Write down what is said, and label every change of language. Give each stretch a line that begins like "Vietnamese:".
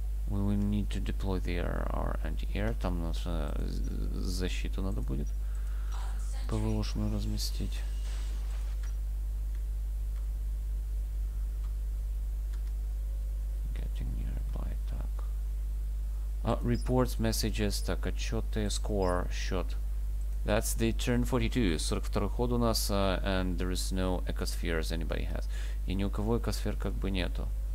English: We will need to deploy the our anti-air.
Russian: Там наша защиту надо будет ПВОшную разместить.
English: Getting nearby, так. Reports, messages, так, отчеты, score, счет. That's the turn 42. 42
Russian: ход у нас,
English: and there is no ecosphere as anybody has.
Russian: И ни у кого экосфер как бы нету.